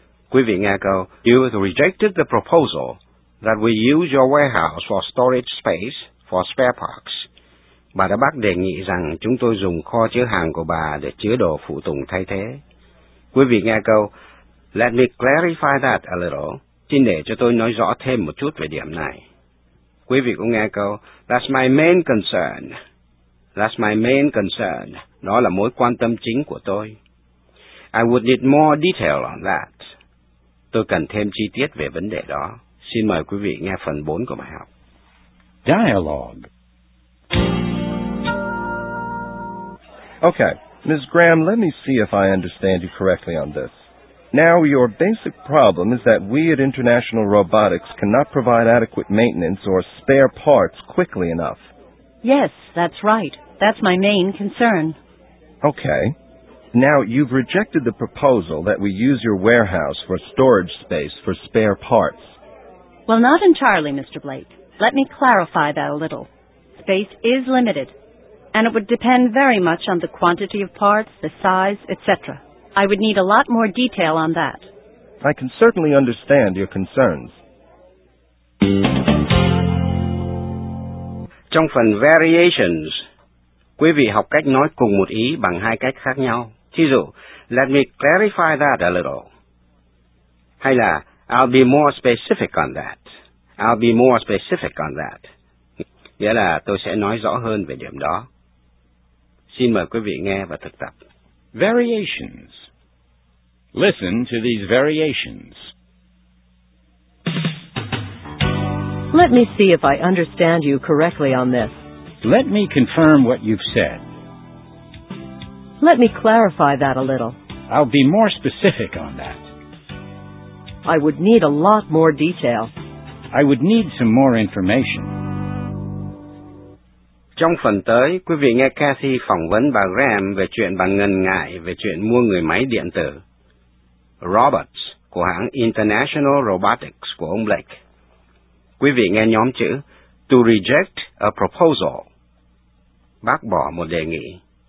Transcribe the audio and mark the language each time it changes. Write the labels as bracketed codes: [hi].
[vi] Quý vị nghe câu, [en] you rejected the proposal that we use your warehouse for storage space for spare parts. [vi] Bà đã bác đề nghị rằng chúng tôi dùng kho chứa hàng của bà để chứa đồ phụ tùng thay thế. Quý vị nghe câu, [en] let me clarify that a little. [vi] Xin để cho tôi nói rõ thêm một chút về điểm này. Quý vị cũng nghe câu, [en] that's my main concern. That's my main concern. [vi] Đó là mối quan tâm chính của tôi. [en] I would need more detail on that. [vi] Tôi cần thêm chi tiết về vấn đề đó. Xin mời quý vị nghe phần 4 của bài học. [en] Dialogue. Okay, Ms. Graham, let me see if I understand you correctly on this. Now, your basic problem is that we at International Robotics cannot provide adequate maintenance or spare parts quickly enough. Yes, that's right. That's my main concern. Okay. Now, you've rejected the proposal that we use your warehouse for storage space for spare parts. Well, not entirely, Mr. Blake. Let me clarify that a little. Space is limited, and it would depend very much on the quantity of parts, the size, etc. I would need a lot more detail on that. I can certainly understand your concerns. [vi] Trong phần Variations, quý vị học cách nói cùng một ý bằng hai cách khác nhau. Thí dụ, [en] let me clarify that a little. [vi] Hay là, [en] I'll be more specific on that. I'll be more specific on that. [vi] Nghĩa là tôi sẽ nói rõ hơn về điểm đó. Xin mời quý vị nghe và thực tập. [en] Variations. Listen to these variations. Let me see if I understand you correctly on this. Let me confirm what you've said. Let me clarify that a little. I'll be more specific on that. I would need a lot more detail. I would need some more information. [vi] Trong phần tới, quý vị nghe Kathy phỏng vấn bà Graham về chuyện bà ngần ngại về chuyện mua người máy điện tử. Roberts của hãng International Robotics của ông Blake. Quý vị nghe nhóm chữ [en] to reject a proposal, [vi] bác bỏ một đề nghị.